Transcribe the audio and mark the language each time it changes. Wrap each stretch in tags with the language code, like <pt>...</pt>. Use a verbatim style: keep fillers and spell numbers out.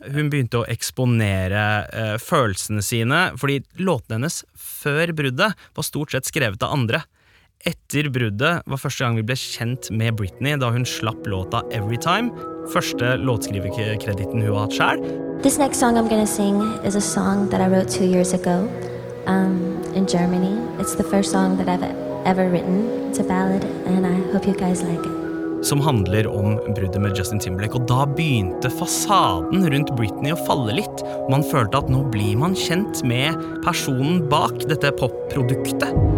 <no>Hun begynte å eksponere eh, følelsene sine, fordi låtene hennes før bruddet var stort sett skrevet av andre. Etter bruddet var første gang vi ble kjent med Britney, da hun slapp låta Everytime, første låtskriverkreditten hun har hatt selv.</no> <en>This next song I'm gonna sing is a song that I wrote two years ago um, in Germany. It's the first song that I've ever written. It's a ballad, and I hope you guys like it.</en> <no>Som handler om bruddet med Justin Timberlake, og da begynte fasaden rundt Britney å falle litt. Man følte at nå blir man kjent med personen bak dette popproduktet.</no>